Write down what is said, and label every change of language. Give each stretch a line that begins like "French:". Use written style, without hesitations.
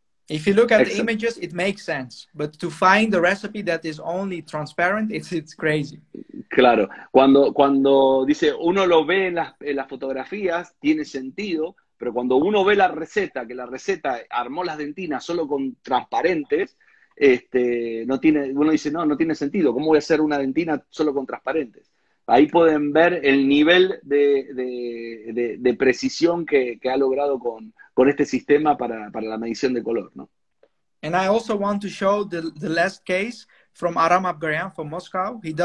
English: If you look at the images, it makes sense. But to find the recipe that is only transparent, it's crazy.
Spanish: Claro. Cuando dice uno lo ve en las fotografías, tiene sentido. Pero cuando uno ve la receta, que la receta armó las dentinas solo con transparentes, no tiene, uno dice, no tiene sentido. ¿Cómo voy a hacer una dentina solo con transparentes? Ahí pueden ver el nivel de precisión que ha logrado con este sistema para la medición de color, ¿no?
English: And I also want to show the last case from Aram Abgarian from Moscow.